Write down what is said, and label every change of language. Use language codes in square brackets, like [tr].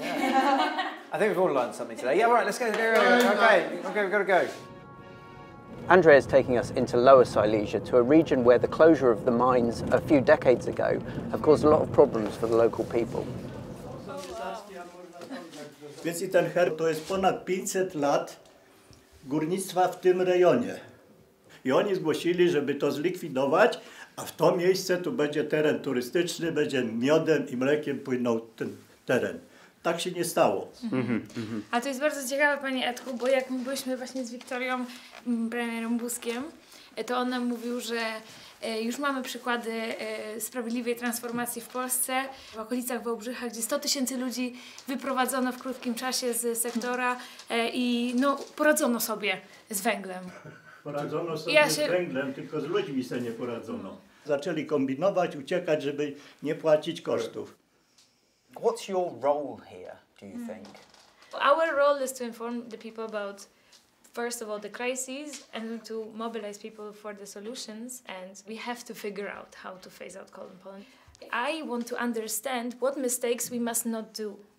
[en] Yeah. I think we've all learned something today. Yeah, right, let's go. Okay, we've got to go. Andrzej is taking us into Lower Silesia, to a region where the closure of the mines a few decades ago have caused a lot of problems for the local people. [pl] Więc i ten herb to jest ponad 500 lat górnictwa w tym rejonie. I oni zgłosili, żeby to zlikwidować, a w to miejsce tu będzie teren turystyczny, będzie miodem i mlekiem płynął ten teren. Tak się nie stało. A to jest bardzo ciekawe, panie Edku, bo jak my byliśmy właśnie z Wiktorią, premierem Buzkiem, to on nam mówił, że już mamy przykłady sprawiedliwej transformacji w Polsce, w okolicach Wałbrzycha, gdzie 100 tysięcy ludzi wyprowadzono w krótkim czasie z sektora i no, poradzono sobie z węglem. Poradzono sobie z węglem, tylko z ludźmi sobie nie poradzono. Zaczęli kombinować, uciekać, żeby nie płacić kosztów. [en] What's your role here, do you think? Our role is to inform the people about, first of all, the crises, and to mobilize people for the solutions, and we have to figure out how to phase out coal in Poland. I want to understand what mistakes we must not do.